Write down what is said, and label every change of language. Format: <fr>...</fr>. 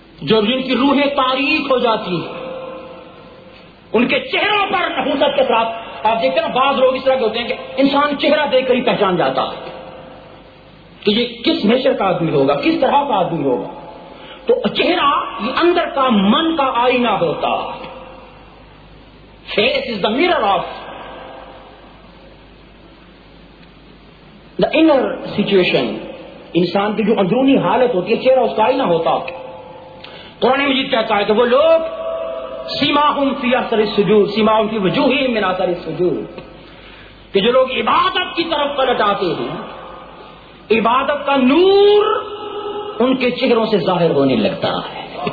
<ur>جو جن کی روحیں تاریک ہو جاتی ہیں ان کے چہروں پر نحوست کے اثرات, آپ دیکھتے ہیں بعض لوگ اس طرح کے ہوتے ہیں کہ انسان چہرہ دیکھ کر ہی پہچان جاتا ہے کہ یہ کس نیچر کا آدمی ہوگا, کس طرح کا آدمی ہوگا. تو چہرہ یہ اندر کا من کا آئینہ ہوتا ہے.</ur> <en>Face is the mirror of the inner situation.</en> <ur>انسان کی جو اندرونی حالت ہوتی ہے چہرہ اس کا آئینہ ہوتا ہے. قرآن مجید کہتا ہے کہ وہ لوگ</ur> <ar>سیماہم فی اثر السجود,</ar> <ur>سیماہم فی وجوہہم من اثر السجود, کہ جو لوگ عبادت کی طرف پلٹ آتے ہیں عبادت کا نور ان کے چہروں سے ظاہر ہونے لگتا ہے.</ur>